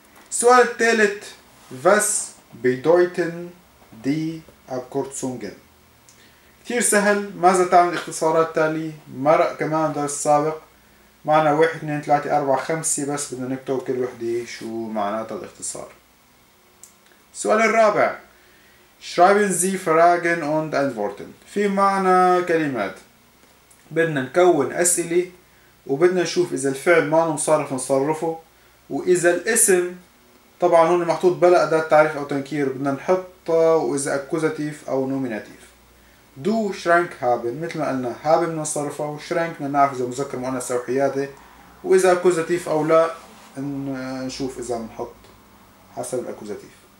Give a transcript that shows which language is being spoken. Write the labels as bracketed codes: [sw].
[ar] السؤال الثالث، [de] was bedeuten die Abkürzungen؟ [ar] كثير سهل، ماذا تعني الاختصارات التالية؟ مرق كمان درس سابق، معنى 1 2 3 4 5، بس بدنا نكتب كل وحدة شو معناتها الاختصار. السؤال الرابع، [de] Schreiben Sie Fragen und Antworten. [ar] في معنى كلمات، بدنا نكون أسئلة وبدنا نشوف إذا الفعل معنى مصرف نصرفه، وإذا الاسم طبعا هون محطوط بلا أداة تعريف أو تنكير بدنا نحطه، وإذا أكوزاتيف أو نوميناتيف. دو شرانك هابن، مثل ما قلنا هابن نصرفه وشرانك نعرف إذا مذكر مؤنث أو حياتي، وإذا أكوزاتيف أو لا نشوف إذا نحط حسب الأكوزاتيف.